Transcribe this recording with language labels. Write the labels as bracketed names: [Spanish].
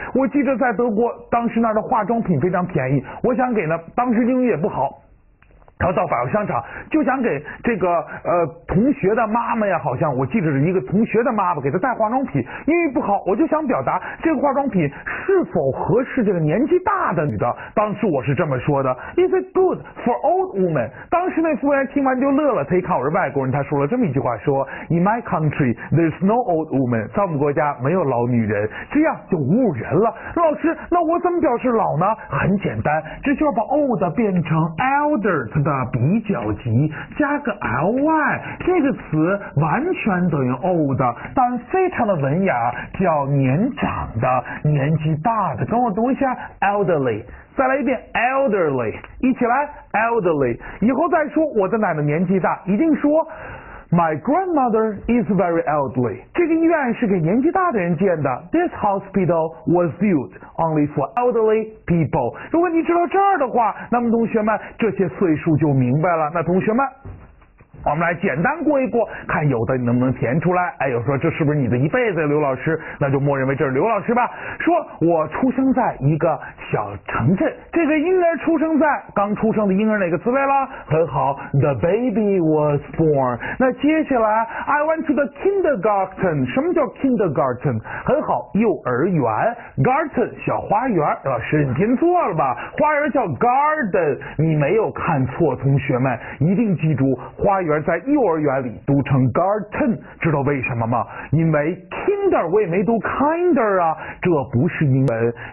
[Chinese] 我记得在德国当时那儿的化妆品非常便宜，我想给呢，当时英语也不好，然后到百货商场就想给这个同学的妈妈呀，好像我记得是一个同学的妈妈给她带化妆品，英语不好，我就想表达这个化妆品是否合适这个年纪大的女的。当时我是这么说的 ， [English] Is it good for old woman？ [Chinese] 当时那服务员听完就乐了，他一看我是外国人，他说了这么一句话，说 [English] In my country there's no old woman， [Chinese] 在我们国家没有老女人，这样就侮辱人了。老师，那我怎么表示老呢？很简单，这就是把 old 变成 elder。的比较级加个 ly， 这个词完全等于 old， 但非常的文雅，叫年长的，年纪大的，跟我读一下 elderly。再来一遍 elderly， 一起来 elderly。以后再说我的奶奶年纪大，一定说 [English] my grandmother is very elderly。 [Chinese] 这个医院是给年纪大的人建的 [English] ，this hospital was built only for elderly。 [Chinese] 如果你知道这儿的话，那么同学们这些岁数就明白了。那同学们，我们来简单过一过，看有的你能不能填出来。哎，有说这是不是你的一辈子，刘老师？那就默认为这是刘老师吧。说我出生在一个小城镇，这个婴儿出生在，刚出生的婴儿哪个词位了？很好 [English] ，the baby was born。 [Chinese] 那接下来 [English] ，I went to the kindergarten。 [Chinese] 什么叫 kindergarten？ 很好，幼儿园 ，garden 小花园。老师，你听错了吧？花园叫 garden， 你没有看错，同学们一定记住花园。园在幼儿园里读成 garten， 知道为什么吗？因为 kinder 我也没读 kinder 啊，这不是英文。